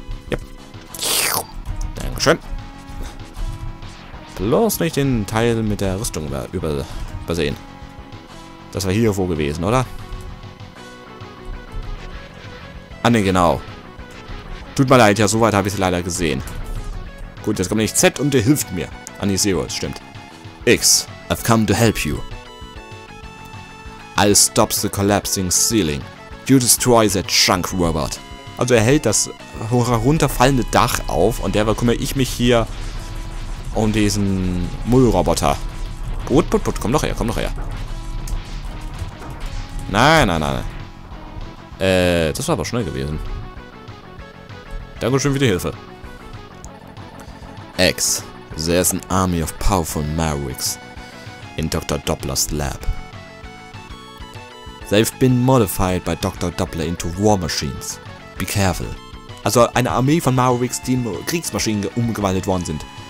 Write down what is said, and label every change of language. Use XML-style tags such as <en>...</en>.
<de>Yep. Dankeschön. Bloß nicht den Teil mit der Rüstung übersehen. Das war hier vor gewesen, oder? Ah ne, genau. Tut mir leid, ja, soweit habe ich es leider gesehen. Gut, jetzt kommt nämlich Z und der hilft mir. Ah ne, Zero, das stimmt.</de> <en>X, I've come to help you. I'll stop the collapsing ceiling. You destroy that chunk robot.</en> <de>Also er hält das herunterfallende Dach auf und derweil kümmere ich mich hier um diesen Müllroboter. Gut, gut, gut, komm doch her, komm doch her. Nein, nein, nein. Das war aber schnell gewesen. Dankeschön für die Hilfe.</de> <en>X, there's an army of powerful Mavericks in Dr. Doppler's lab. They've been modified by Dr. Doppler into war machines. Be careful.</en> <de>Also eine Armee von Mavericks, die in Kriegsmaschinen umgewandelt worden sind.</de>